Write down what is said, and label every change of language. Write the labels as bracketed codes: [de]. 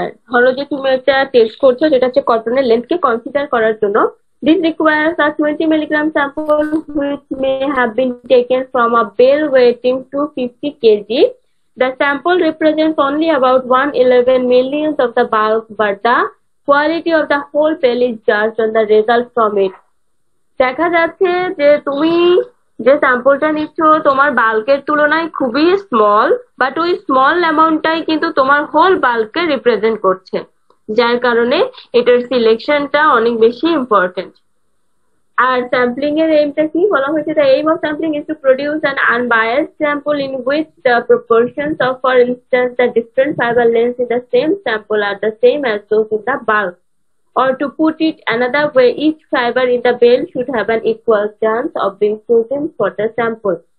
[bn] ধরো যে তুমি একটা টেস্ট করছো, যেটা হচ্ছে কটনের লেন্থ কে কনসিডার করার জন্য। [en] This requires a 20 milligram sample which may have been taken from a bale weighting 250 kg. The sample represents only about 1/11 millionth of the bulk, but the quality of the whole bale is judged on the result from it. [bn] দেখা যাচ্ছে যে তুমি যে স্যাম্পলটা নিচ্ছ তোমার বাল্কের তুলনায় খুবই small, but ওই স্মল অ্যামাউন্টটাই কিন্তু তোমার হোল বাল্ককে রিপ্রেজেন্ট করছে, যার কারণে এটার সিলেকশনটা অনেক বেশি ইম্পর্টেন্ট। আর স্যাম্পলিং এর এইমটা কি বলা হয়েছে, [en] The aim of sampling is to produce an unbiased sample in which the proportions of for instance the different fibre length in the same sample are the same as those in the bulk, or to put it another way, each fibre in the bale should have an equal chance of being chosen for the sample.